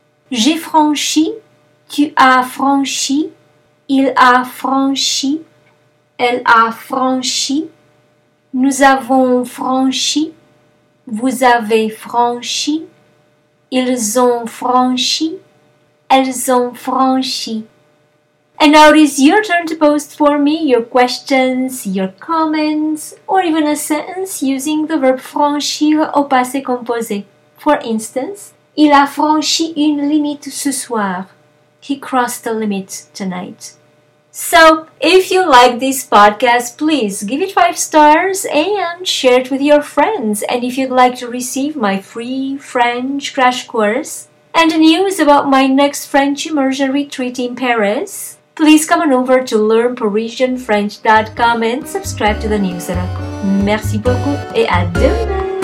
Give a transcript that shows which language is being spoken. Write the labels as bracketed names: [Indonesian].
[French] J'ai franchi, tu as franchi, il a franchi, elle a franchi, nous avons franchi, vous avez franchi, ils ont franchi, elles ont franchi. [English] And now it is your turn to post for me your questions, your comments, or even a sentence using the verb franchir au passé composé. For instance, [French] il a franchi une limite ce soir. [English] He crossed the limit tonight. So, if you like this podcast, please give it 5 stars and share it with your friends. And if you'd like to receive my free French crash course and news about my next French immersion retreat in Paris, please come on over to learnparisianfrench.com and subscribe to the newsletter. [French] Merci beaucoup et à demain!